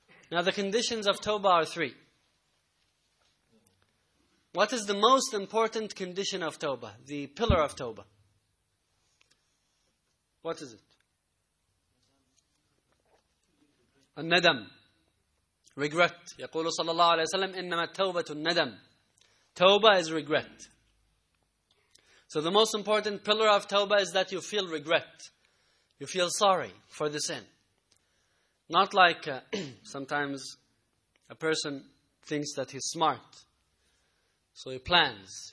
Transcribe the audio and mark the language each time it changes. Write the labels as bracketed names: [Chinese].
[English] Now the conditions of tawbah are 3. What is the most important condition of tawbah? The pillar of tawbah. What is it? [Arabic] الندم, regret. يقول صلى الله عليه وسلم إنما التوبة الندم. [English] توبة is regret. So the most important pillar of توبة is that you feel regret. You feel sorry for the sin. Not like sometimes a person thinks that he's smart. So he plans.